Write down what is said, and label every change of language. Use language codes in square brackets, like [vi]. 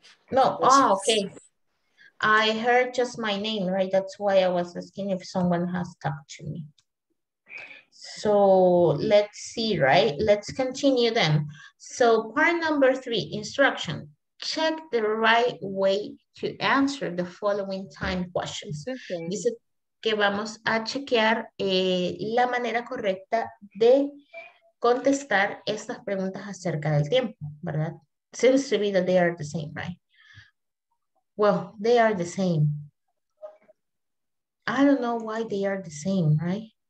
[en] No, oh, okay. I heard just my name, right? That's why I was asking if someone has talked to me. So let's see, right? Let's continue then. So part number three, instruction. Check the right way to answer the following time questions. [es] Dice que vamos a chequear la manera correcta de contestar estas preguntas acerca del tiempo, ¿verdad? [en] Seems to be that they are the same, right? Well, they are the same. I don't know why they are the same, right?